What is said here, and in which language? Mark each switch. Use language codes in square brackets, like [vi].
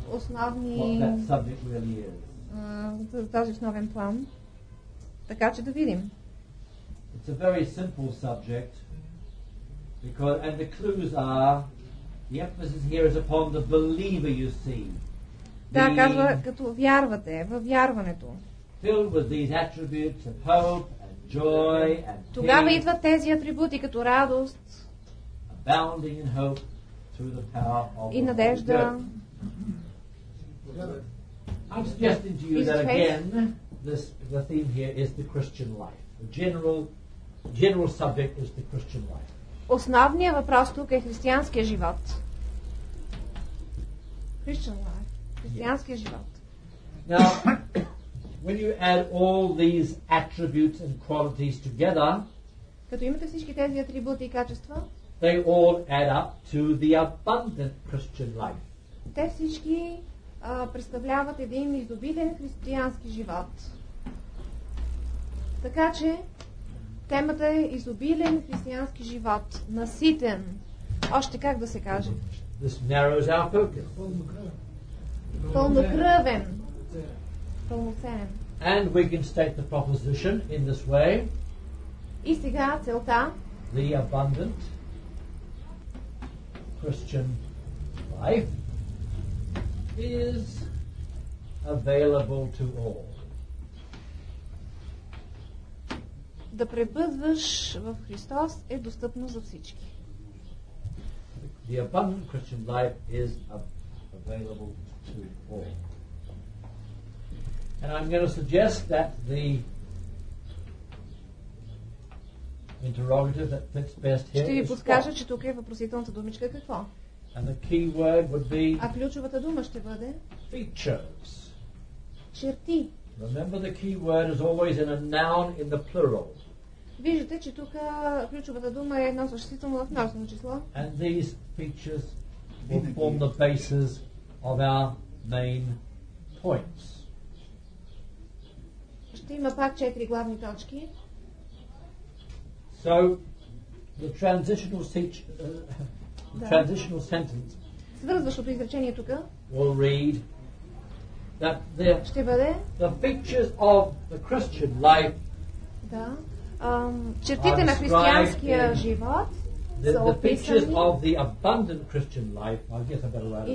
[bg] основни, [en] what that subject really is. [bg] Даже в новен план. Така че да видим. [en] It's a very simple subject because, and the clues are the emphasis here is upon the believer, you see. [bg] Да, казва, като вярвате, във вярването. [en] Filled with these attributes of hope and joy and peace. [bg] Тогава идват тези атрибути като радост. [en] Abounding in hope through the power of God. [bg] И надежда. [en] I'm suggesting to you that again, the theme here is the Christian life. The general subject is the Christian life. [bg] Основният въпрос тук е християнския живот. [en] Christian life. [bg] Християнския живот. [en] Now, when you add all these attributes and qualities together, [bg] като имате всички тези атрибути и качества, [en] they all add up to the abundant Christian life. [bg] Те всички представляват един изобилен християнски живот. Така че темата е изобилен християнски живот, наситен. Още как да се каже? [en] This narrows our focus. [bg] Пълнокръвен. Пълноценен. [en] And we can state the proposition in this way. [bg] И сега целта. [en] The abundant Christian life is available to all. [bg] Да пребъдваш в Христос е достъпно за всички. [en] The abundant Christian life is available to all. And I'm going to suggest that the interrogative that fits best here. [bg] Ще ви подскажа, че тук е въпросителната думичка какво? [en] And the key word would be. [bg] А ключовата дума ще бъде. [en] Features. [bg] Черти. [en] Remember, the key word is always in a noun in the plural. [bg] Виждате, че тук ключовата дума е едно съществително в множествено число. [en] And these features will form the basis of our main points. [bg] Ще има пак четири главни точки. [en] So the transitional speech, transitional sentence. [bg] Свързващото изречение тук. [en] We'll read that the, [bg] ще бъде [en] the features of the Christian life. [bg] Да. Чертите на християнския живот. [en] The features of the abundant Christian life. I guess I better write it down.